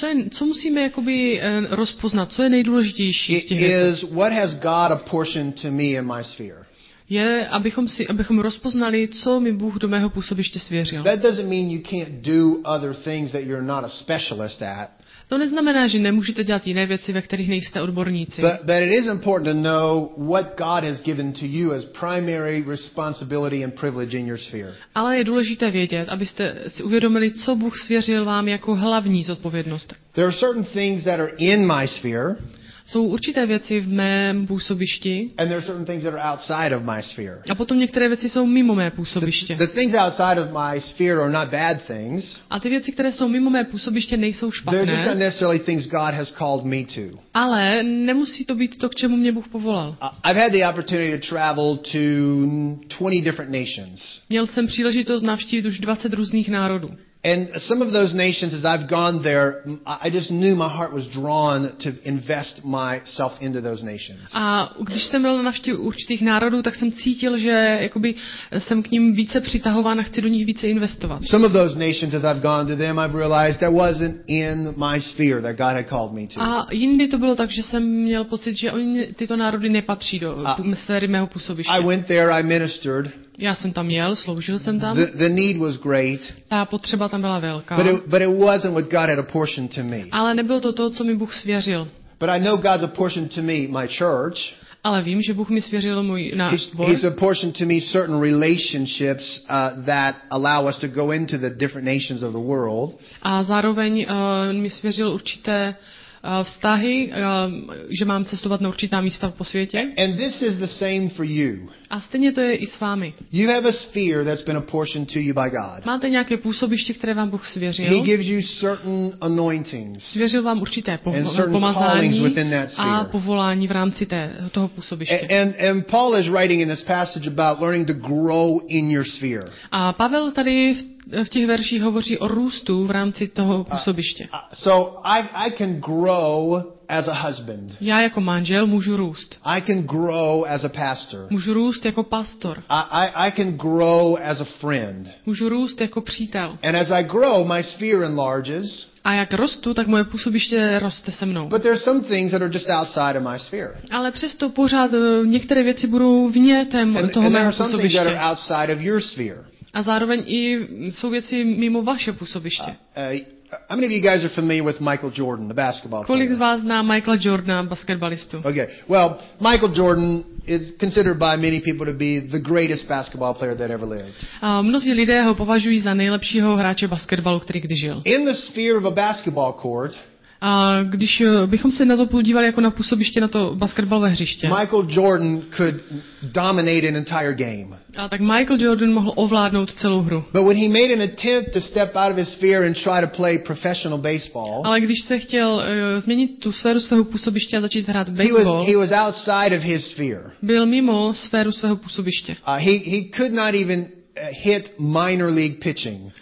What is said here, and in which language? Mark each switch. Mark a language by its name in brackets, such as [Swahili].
[Czech] Co musíme jakoby rozpoznat, co je nejdůležitější z těch věcí? [English] Is what has God apportioned to me in my sphere. [Czech] Je, abychom rozpoznali, co mi Bůh do mého působiště svěřil. [English] That doesn't mean you can't do other things that you're not a specialist at. [Czech] To neznamená, že nemůžete dělat jiné věci, ve kterých nejste odborníci. [English] But it is important to know what God has given to you as primary responsibility and privilege in your sphere. [Czech] Ale je důležité vědět, abyste si uvědomili, co Bůh svěřil vám jako hlavní zodpovědnost. [English] There are certain things that are in my sphere. [Czech] Jsou určité věci v mém působišti. [English] And there are certain things that are outside of my sphere. [Czech] A potom některé věci jsou mimo mé působiště. [English] The things outside of my sphere are not bad things. [Czech] A ty věci, které jsou mimo mé působiště, nejsou špatné. [English] They're just not necessarily things God has called me to. [Czech] Ale nemusí to být to, k čemu mě Bůh povolal. [English] I've had the opportunity to travel to 20 different nations. [Czech] Měl jsem příležitost navštívit už 20 různých národů. [English] And some of those nations, as I've gone there, I just knew my heart was drawn to invest myself into those nations. [Czech] A když jsem byl na návštěvě určitých národů, tak jsem cítil, že jakoby jsem k ním více přitahován a chci do nich více investovat. [English] Some of those nations, as I've gone to them, I've realized that wasn't in my sphere that God had called me to. [Czech] A jindy to bylo tak, že jsem měl pocit, že oni tyto národy nepatří do sféry mého působiště. [English] I went there, I ministered. [Czech] Já jsem tam jel, sloužil jsem tam. [English] The need was great. [Czech] Ta potřeba tam byla velká. [English] But it wasn't what God had apportioned to me. [Czech] Ale nebylo to to, co mi Bůh svěřil. [English] But I know God's apportioned to me my church. [Czech] Ale vím, že Bůh mi svěřil můj sbor. [English] He's apportioned to me certain relationships that allow us to go into the different nations of the world. [Czech] A zároveň mi svěřil určité vztahy, že mám cestovat na určitá místa po světě. [English] And this is the same for you. [Czech] A stejně to je i s vámi. [English] You have a sphere that's been apportioned to you by God. [Czech] Máte nějaké působiště, které vám Bůh svěřil. [English] He gives you certain anointings. [Czech] Svěřil vám určité pomazání a povolání v rámci toho působiště. [English] And Paul is writing in this passage about learning to grow in your sphere. [Czech] A Pavel tady v těch verších hovoří o růstu v rámci toho působiště. [English] So I can grow as a husband. [Czech] Já jako manžel můžu růst. [English] I can grow as a pastor. [Czech] Můžu růst jako pastor. [English] I can grow as a friend. [Czech] Můžu růst jako přítel. [English] And as I grow, my sphere enlarges. [Czech] A jak rostu, tak moje působiště roste se mnou. [English] But there are some things that are just outside of my sphere. [Czech] Ale přesto pořád některé věci budou vně toho mého působiště. [English] And there are some things that are outside of your sphere. [Czech] A zároveň i jsou věci mimo vaše působiště. [English] How many of you guys are familiar with Michael Jordan, the basketball player? [Czech] Kolik z vás zná Michaela Jordana, basketbalistu? [English] Okay. Well, Michael Jordan is considered by many people to be the greatest basketball player that ever lived. [Czech] Mnozí lidé ho považují za nejlepšího hráče basketbalu, který kdy žil. [English] In the sphere of a basketball court, [Czech] když bychom se na to podívali jako na působiště na to basketbalové hřiště. [English] Michael Jordan could dominate an entire game. [Czech] A tak Michael Jordan mohl ovládnout celou hru. [English] But when he made an attempt to step out of his sphere and try to play professional baseball. [Czech] Ale když se chtěl změnit tu sféru svého působiště a začít hrát baseball. [English] He was outside of his sphere. [Czech] Byl mimo sféru svého působiště. [English] He could not even hit minor league pitching.